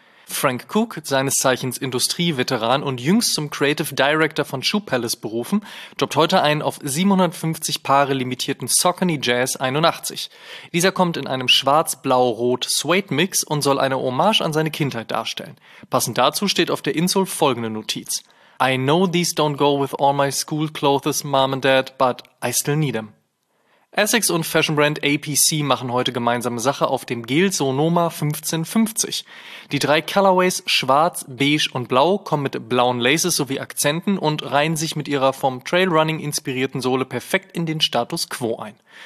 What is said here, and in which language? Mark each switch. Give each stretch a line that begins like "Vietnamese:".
German: Frank Cook, seines Zeichens Industrieveteran und jüngst zum Creative Director von Shoe Palace berufen, droppt heute einen auf 750 Paare limitierten Saucony Jazz 81. Dieser kommt in einem Schwarz-Blau-Rot-Suede-Mix und soll eine Hommage an seine Kindheit darstellen. Passend dazu steht auf der Insole folgende Notiz.
English: I know these don't go with all my school clothes, mom and dad, but I still need them.
German: Essex und Fashionbrand APC machen heute gemeinsame Sache auf dem Gel Sonoma 1550. Die 3 Colorways Schwarz, Beige und Blau kommen mit blauen Laces sowie Akzenten und reihen sich mit ihrer vom Trailrunning inspirierten Sohle perfekt in den Status Quo ein.